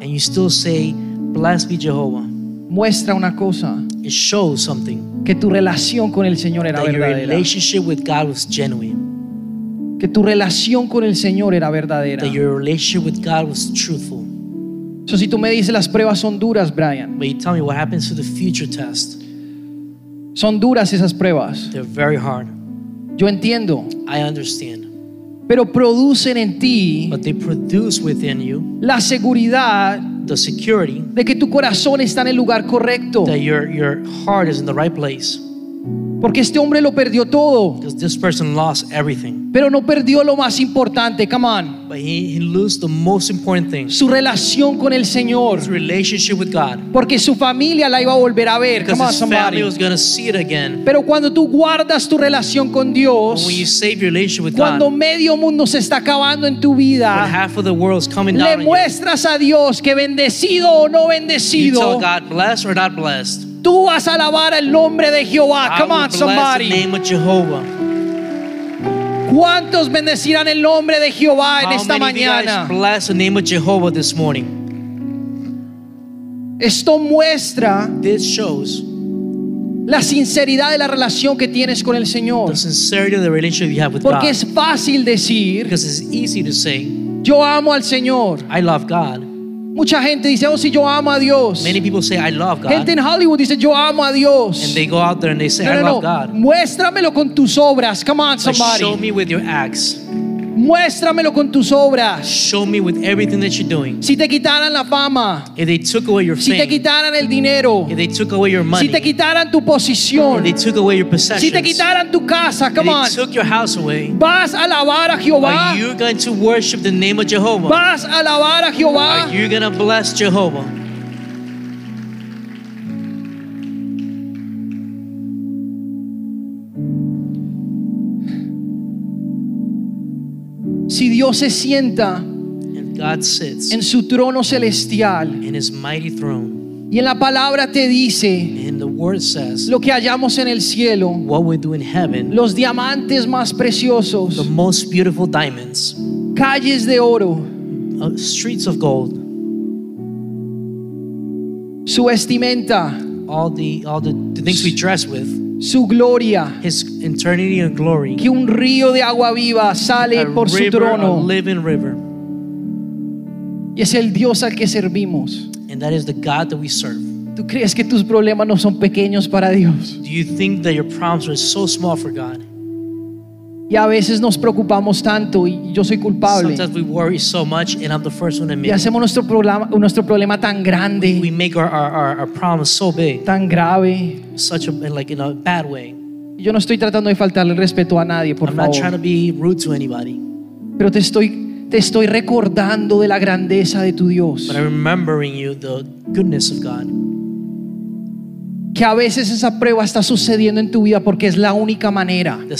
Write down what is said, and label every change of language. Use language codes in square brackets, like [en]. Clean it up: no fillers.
[en] and you still say bless be Jehovah, [es] muestra una cosa, [en] it shows something, [es] que tu relación con el Señor era [en] that [es] verdadera, [en] your relationship with God was genuine, [es] que tu relación con el Señor era verdadera, [en] that your relationship with God was truthful. [es] So, si tú me dices las pruebas son duras, Brian. [en] But you tell me what happens to the future test. [es] Son duras esas pruebas. [en] They're very hard. [es] Yo entiendo. [en] I understand. [es] Pero producen en ti. [en] But they produce within you. [es] La seguridad. [en] The security. [es] De que tu corazón está en el lugar correcto. [en] That your heart is in the right place. [es] Porque este hombre lo perdió todo. [en] Because this person lost everything. [es] Pero no perdió lo más importante. [en] Come on. But he lost the most important thing. [es] Su relación con el Señor. [en] His relationship with God. [es] Porque su familia la iba a volver a ver. [en] Because come on, somebody. His family was going to see it again. [es] Pero cuando tú guardas tu relación con Dios, [en] when you save your relationship with [es] cuando [en] God, [es] medio mundo se está acabando en tu vida, [en] when half of the world is coming down, [es] le muestras [en] you, [es] a Dios que bendecido o no bendecido. [en] You tell God blessed or not blessed. [es] Tú vas a alabar el nombre de Jehová. [en] Come on, somebody. The name of Jehovah. [es] ¿Cuántos bendecirán el nombre de Jehová [en] How [es] en esta mañana? [en] Of you guys bless the name of Jehovah this morning? [es] Esto muestra [en] this shows [es] la sinceridad de la relación que tienes con el Señor. [en] The sincerity of the relationship you have with [es] Porque [en] God. [es] Es fácil decir, [en] because it's easy to say, [es] yo amo al Señor. [en] I love God. [es] Mucha gente dice, oh, si yo amo a Dios. [en] Many people say, I love God. [es] Gente en Hollywood dice, yo amo a Dios. [en] And they go out there and they say, no, no, I love God. [es] Muéstramelo con tus obras. [en] Come on, somebody. Show me with your acts. [es] Muéstramelo con tus obras. [en] Show me with everything that you're doing. [es] Si te quitaran la fama. [en] If they took away your fame. [es] Si te quitaran el dinero. [en] If they took away your money. [es] Si te quitaran tu posición. [en] If they took away your possessions. [es] Si te quitaran tu casa. [en] Come if on. If they took your house away. [es] Vas a alabar a Jehová. [en] Are you going to worship the name of Jehovah? [es] Vas a alabar a Jehová. [en] Are you going to bless Jehovah? [es] Si Dios se sienta en su trono celestial [en] in his mighty throne, [es] y en la palabra te dice [en] and the word says, [es] lo que hallamos en el cielo [en] what we do in heaven, [es] los diamantes más preciosos [en] the most beautiful diamonds, [es] calles de oro [en] streets of gold, [es] su vestimenta [en] all the things we dress with [es] su gloria, [en] his eternity and glory, [es] que un río de agua viva sale por su trono, [en] a living river, [es] y es el Dios al que servimos, [en] and that is the God that we serve. [es] ¿Tú crees que tus problemas no son pequeños para Dios? [en] Do you think that your problems are so small for God? [es] Y a veces nos preocupamos tanto y yo soy culpable. [en] Sometimes we worry so much and I'm the first one to admit. [es] Y hacemos nuestro problema tan grande. [en] We make our problems so big. [es] Tan grave. [en] Such a like in a bad way. [es] Yo no estoy tratando de faltarle el respeto a nadie, por [en] I'm [es] favor. [en] I'm not trying to be rude to anybody. [es] Pero te estoy recordando de la grandeza de tu Dios. [en] But I'm remembering you the goodness of God. [es] Que a veces esa prueba está sucediendo en tu vida porque es la única manera.